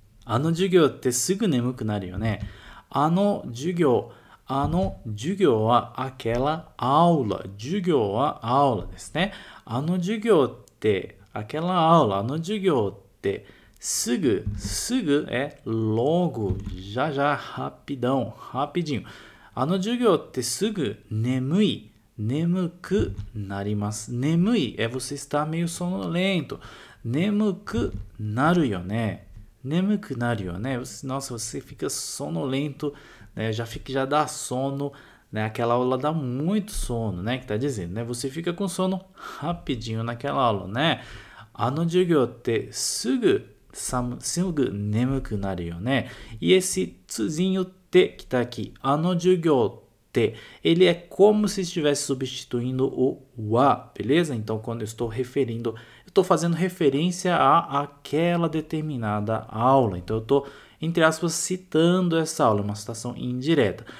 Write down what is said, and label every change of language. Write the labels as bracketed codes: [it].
[ja] あの授業ってすぐ眠くなるよね。あの授業、あの授業は [pt] aquela aula、 [ja] 授業は [pt] aula [ja] ですね。あの授業って [pt] aquela aula、 [ja] あの授業ってすぐ、すぐ、え、 [pt] logo、 [ja] じゃじゃ、 [pt] rapidão、rapidinho。 [ja] あの授業ってすぐ眠い。眠くなります。眠い [pt] é você estar meio sonolento. [ja] 眠くなるよね。眠くなるよね。 [pt] Nossa, você fica sonolento, né? Já dá sono, né? Aquela aula dá muito sono, né? Que tá dizendo, né? Você fica com sono rapidinho naquela aula, né? [ja] あの授業ってすぐ、すぐ眠くなるよね。 [pt] E esse tsuzinho te que tá aqui, [ja] あの授業って [pt] ele é como se estivesse substituindo o wa, beleza? Então, quando eu estou referindo, eu estou fazendo referência a aquela determinada aula. Então, eu estou, entre aspas, citando essa aula, uma citação indireta.